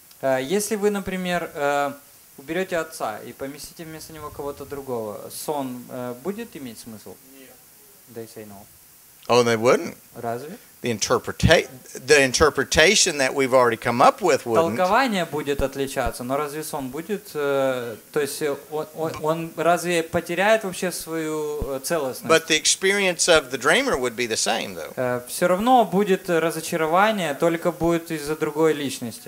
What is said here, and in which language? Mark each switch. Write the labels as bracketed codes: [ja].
[ru] Если вы, например, уберете отца и поместите вместо него кого-то другого, сон будет иметь смысл? Нет. [en] They say no. Oh, they wouldn't. [ru] Разве? [en] The interpretation that we've already come up with wouldn't. [ru] Толкование будет отличаться, но разве сон будет, то есть он разве потеряет вообще свою целостность? [en] But the experience of the dreamer would be the same, though. [ru] Все равно будет разочарование, только будет из-за другой личности.